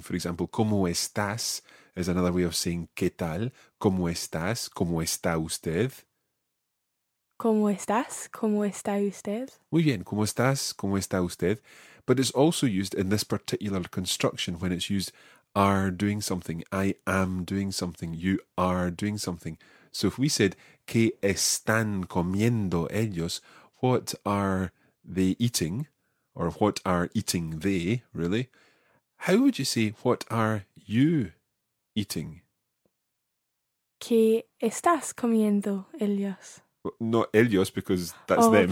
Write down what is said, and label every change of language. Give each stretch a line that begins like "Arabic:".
English: For example,
Spanish: ¿cómo estás?
English: Is another way of saying
Spanish: ¿qué tal? ¿Cómo estás? ¿Cómo está usted? ¿Cómo estás? ¿Cómo está usted? Muy bien. ¿Cómo estás? ¿Cómo está usted?
English: But it's also used in this particular construction when it's used are doing something. I am doing something. You are doing something. So if we said
Spanish: ¿qué están comiendo ellos?
English: What are they eating, or what are eating they, really? How would you say, what are you eating?
Spanish: ¿Qué estás comiendo ellos?
English: Well, not ellos, because that's them.